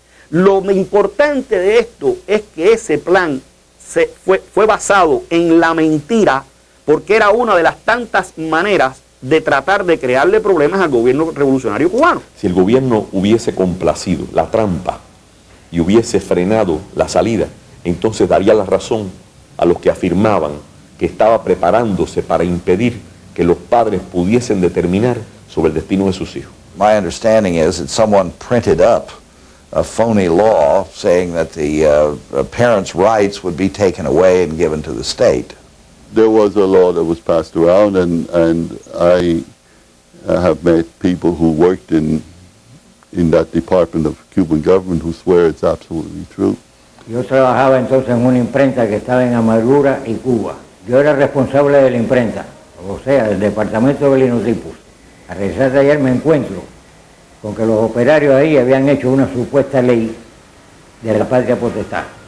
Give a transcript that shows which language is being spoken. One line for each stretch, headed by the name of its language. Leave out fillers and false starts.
Spanish: Lo importante de esto es que ese plan fue basado en la mentira, porque era una de las tantas maneras de tratar de crearle problemas al gobierno revolucionario cubano. Si el gobierno hubiese complacido la trampa y hubiese frenado la salida, entonces daría la razón a los que afirmaban que estaba preparándose para impedir que los padres pudiesen determinar sobre el destino de sus hijos.
English: My understanding is that someone printed up a phony law saying that the parents' rights would be taken away and given to the state. There was a law that was passed around, and I have met people who worked in that department of Cuban government who swear it's absolutely true.
Spanish: Yo trabajaba entonces en una imprenta que estaba en Amargura y Cuba. Yo era responsable de la imprenta, o sea, del departamento de Linotipus. A regresar de ayer me encuentro con que los operarios ahí habían hecho una supuesta ley de la patria potestad.